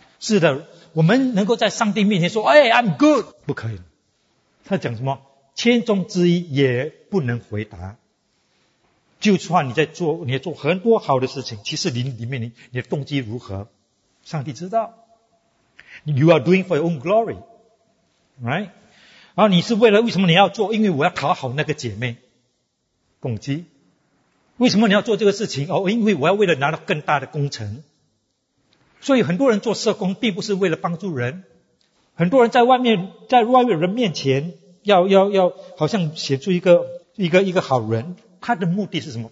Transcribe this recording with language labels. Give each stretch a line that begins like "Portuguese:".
Chinese: 是的，我们能够在上帝面前说哎
English: I'm good，
Chinese: 不可以。他讲什么千中之一也不能回答。就算你在做很多好的事情，其实你里面你的动机如何，上帝知道。
English: You are doing for your own glory, right？
Chinese: 然后你是为了为什么你要做？因为我要讨好那个姐妹，动机。为什么你要做这个事情？哦，因为我要为了拿到更大的工程。所以很多人做社工并不是为了帮助人，很多人在外面人面前要好像显出一个好人。他的目的是什么？